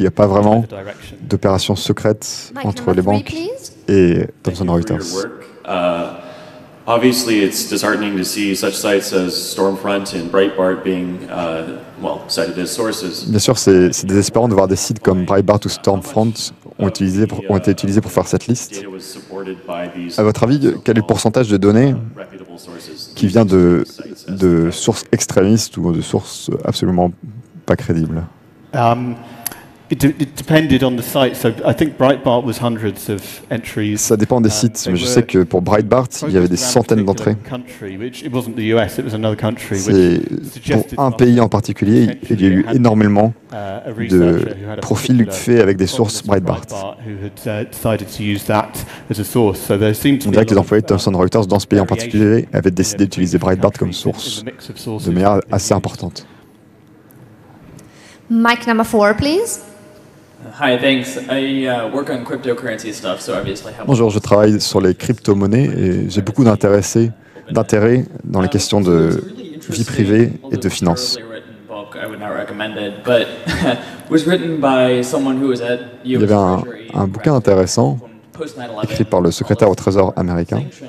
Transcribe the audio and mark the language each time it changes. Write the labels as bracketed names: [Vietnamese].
[French] Il n'y a pas vraiment d'opérations secrètes entre les banques et Thomson Reuters. [English] Obviously, it's disheartening to see such sites as Stormfront and Breitbart being cited as sources. [French] Bien sûr, c'est désespérant de voir des sites comme Breitbart ou Stormfront ont été utilisés pour faire cette liste. À votre avis, quel est le pourcentage de données qui vient de sources extrémistes ou de sources absolument pas crédibles? [English] It depended on the site. So I think Breitbart was hundreds of entries. [French] Ça dépend des sites, mais je sais que pour Breitbart, il y avait des centaines d'entrées. [English] It wasn't the US, it was another country. [French] C'est pour un pays en particulier, il y a eu énormément de profils faits avec des sources Breitbart. On dirait que les employés de Thomson Reuters dans ce pays en particulier avaient décidé d'utiliser Breitbart comme source de manière assez importante. [English] Mic number four, please. Hi, thanks. I work on cryptocurrency stuff, so obviously. [French] Bonjour, je travaille sur les crypto-monnaies et j'ai beaucoup d'intérêt dans les questions de vie privée et de finances. [English] I would not recommend it, but was written by someone who was at US. [French] Il y avait un bouquin intéressant écrit par le secrétaire au Trésor américain.